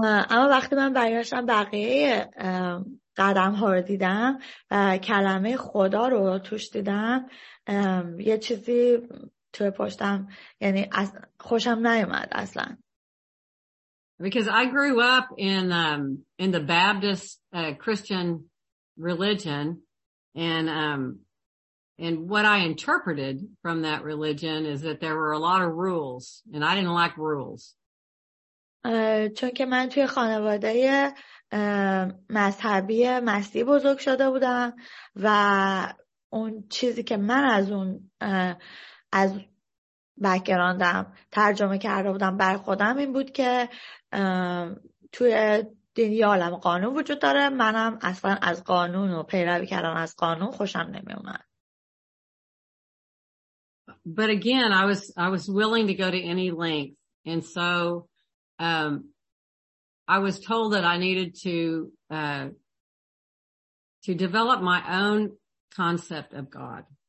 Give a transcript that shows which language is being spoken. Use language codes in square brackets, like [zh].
[fa] اما وقتی من برگشتم بقیه قدم ها رو دیدم و کلمه خدا رو توش دیدم، یه چیزی توی پشتم، یعنی خوشم نیومد اصلا. [en] Because I grew up in the Baptist Christian religion and what I interpreted from that religion is that there were a lot of rules and I didn't like rules. [fa] چون که من توی خانواده مذهبی مسیحی بزرگ شده بودم و اون چیزی که من از اون از بک‌گراندم ترجمه کرده بودم بر خودم این بود که توی دینی عالم قانون وجود داره، منم اصلا از قانون و پیروی کردن از قانون خوشم نمیومد. [en] But again, I was willing to go to any length. And so I was told that I needed to develop my own concept of God.